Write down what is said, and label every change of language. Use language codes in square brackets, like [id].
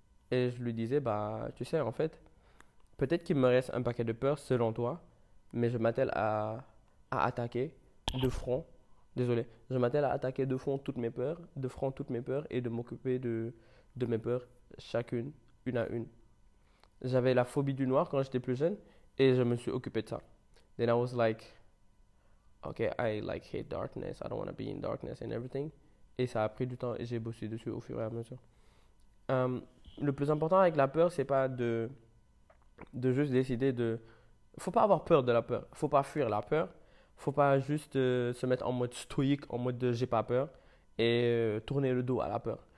[fr] Et je lui disais, bah, tu sais, en fait, peut-être qu'il me reste un paquet de peurs selon toi, mais je m'attelle à attaquer de front, désolé, je m'attelle à attaquer de front toutes mes peurs, de front toutes mes peurs, et de m'occuper de mes peurs chacune, une à une. J'avais la phobie du noir quand j'étais plus jeune, et je me suis occupé de ça. [en] Then I was like, ok, I like hate darkness, I don't want to be in darkness and everything. [fr] Et ça a pris du temps et j'ai bossé dessus au fur et à mesure. Le plus important avec la peur, c'est pas de juste décider de. Faut pas avoir peur de la peur. Faut pas fuir la peur. Faut pas juste se mettre en mode stoïque, en mode de j'ai pas peur et tourner le dos à la peur.